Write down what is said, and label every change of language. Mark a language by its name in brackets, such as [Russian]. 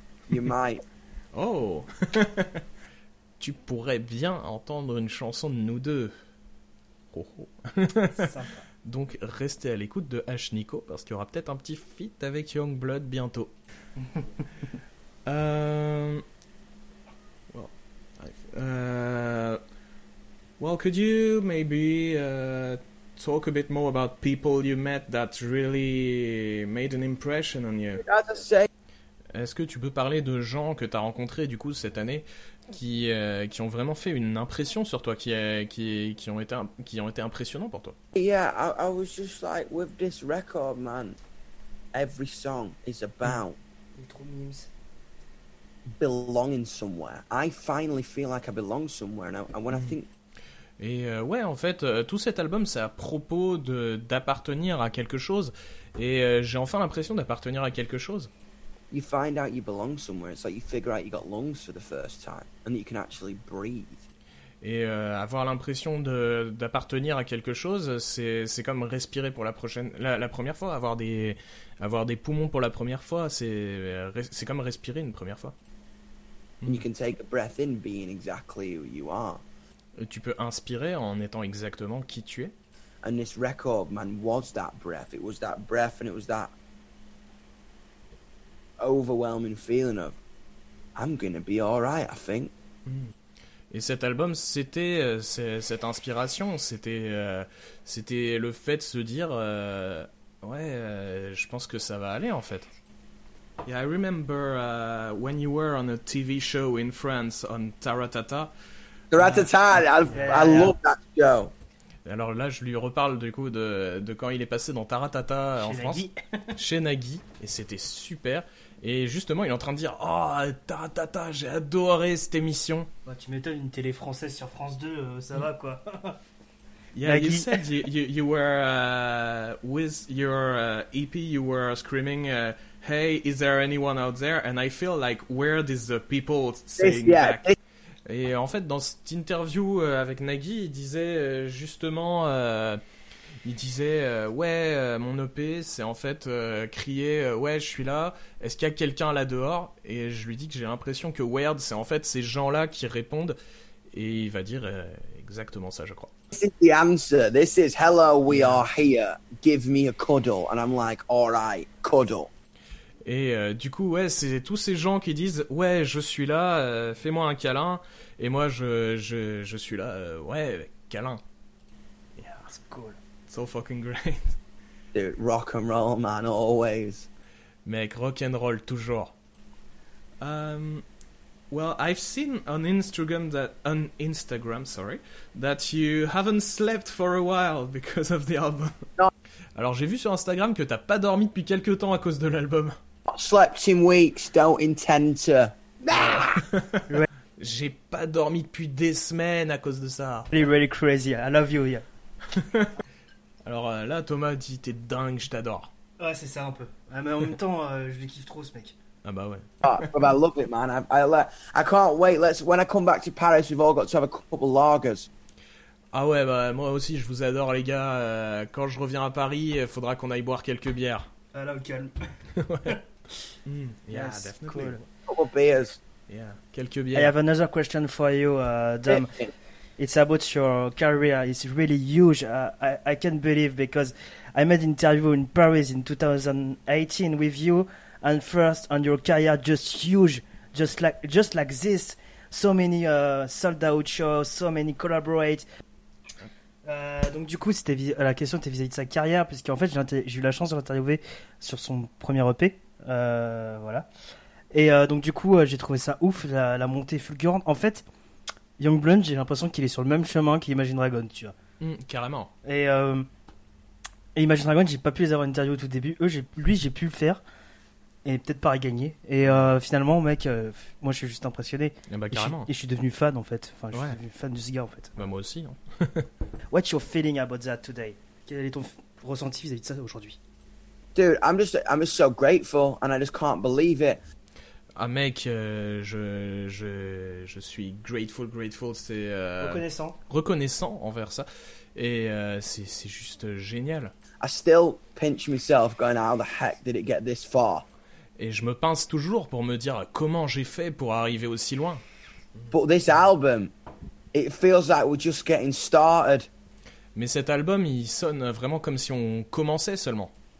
[English] You might. Oh. [French] Tu pourrais bien entendre une chanson de nous deux. Oh, oh. Donc, restez à l'écoute de Ash Nico, parce qu'il y aura peut-être un petit feat avec Youngblood bientôt. [English] Well, could you maybe talk a bit more about people you met that really made an impression on you? [French] Est-ce que tu peux parler de gens que t'as rencontrés du coup cette année qui ont vraiment fait une impression sur toi, qui ont été impressionnants pour toi? [English] Yeah, I was just like with this record, man. Every song is about belonging somewhere. I finally feel like I belong somewhere, and when I think. [French] Et ouais, en fait, tout cet album, c'est à propos d'appartenir à quelque chose, et j'ai enfin l'impression d'appartenir à quelque chose. [English] You find out you belong somewhere. It's like you figure out you got lungs for the first time, and that you can actually breathe. [French] Et avoir l'impression d'appartenir à quelque chose, c'est comme respirer pour la première fois, avoir des poumons pour la première fois, c'est comme respirer une première fois. [English] And you can take a breath in being exactly who you are. [French] Tu peux inspirer en étant exactement qui tu es. [English] And this record, man, was that breath. It was that breath, and it was that overwhelming feeling of I'm gonna be all right, I think. [French] Et cet album, c'était cette inspiration, c'était le fait de se dire ouais, je pense que ça va aller en fait. [English] Yeah, I remember when you were on a TV show in France on Taratata. Taratata, I love that show. [French] Alors là, je lui reparle du coup de quand il est passé dans Taratata en Nagui. France, chez Nagui, et c'était super. Et justement, il est en train de dire « Oh, ta, j'ai adoré cette émission bah, !» Tu m'étonnes, une télé française sur France 2, ça va, quoi. [English] Yeah, Nagui. You said you were, with your EP, you were screaming « Hey, is there anyone out there ?» And I feel like, where is the people saying yeah. back? [French] Et en fait, dans cette interview avec Nagui, il disait justement... Il disait ouais mon EP c'est en fait crier ouais je suis là, est-ce qu'il y a quelqu'un là dehors? Et je lui dis que j'ai l'impression que Weird c'est en fait ces gens là qui répondent, et il va dire exactement ça, je crois. [English] This is the answer, this is hello we are here, give me a cuddle, and I'm like alright cuddle. [French] Et du coup ouais, c'est tous ces gens qui disent ouais je suis là, fais-moi un câlin, et moi je suis là, ouais câlin. [English] Yeah, that's cool. So fucking great. Dude, rock and roll, man, always. [French] Mec, rock and roll, toujours. [English] Well, I've seen on Instagram, that you haven't slept for a while because of the album. No. [French] Alors, j'ai vu sur Instagram que t'as pas dormi depuis quelques temps à cause de l'album. [English] I slept in weeks, don't intend to. [French] J'ai pas dormi depuis des semaines à cause de ça. [English] Really, really crazy, I love you, yeah. [French] Alors là, Thomas dit, t'es dingue, je t'adore. Ouais, c'est ça un peu. Mais en même temps, je le kiffe trop, ce mec. Ah bah ouais. [English] Oh, but I love it, man. I can't wait. When I come back to Paris, we've all got to have a couple lagers. [French] Ah ouais, bah moi aussi, je vous adore, les gars. Quand je reviens à Paris, il faudra qu'on aille boire quelques bières. Ah là, au calme. Ouais. [English] Yeah, that's cool. Couple beers. [French] Yeah, quelques bières. [English] I have another question for you, Dom. It's about your career. It's really huge. I can't believe, because I made an interview in Paris in 2018 with you, and first on your career, just huge, just like this. So many sold out shows, so many collaborate. [French] Donc du coup, c'était la question était vis-à-vis de sa carrière, puisqu'en fait, j'ai eu la chance de l'interviewer sur son premier EP. Voilà. Et donc du coup, j'ai trouvé ça ouf, la montée fulgurante. En fait, Youngblood, j'ai l'impression qu'il est sur le même chemin qu'Imagine Dragon, tu vois. Carrément. Et Imagine Dragon, j'ai pas pu les avoir interviewés au tout début. J'ai pu le faire. Et peut-être pas à gagner. Et finalement, mec, moi je suis juste impressionné. Et bah, carrément. Et je suis devenu fan en fait. Enfin, je suis devenu fan de ce gars en fait. Bah, moi aussi. Hein. [English] What's your feeling about that today? [French] Quel est ton ressenti vis-à-vis de ça aujourd'hui? [English] Dude, I'm just so grateful and I just can't believe it. [French] Ah, mec, je suis grateful, c'est. Reconnaissant. Reconnaissant envers ça. Et c'est juste génial. [English] I still pinch myself going, how the heck did it get this far? [French] Et je me pince toujours pour me dire comment j'ai fait pour arriver aussi loin. [English] But this album, it feels like we're just getting started. [French] Mais cet album, il sonne vraiment comme si on commençait seulement.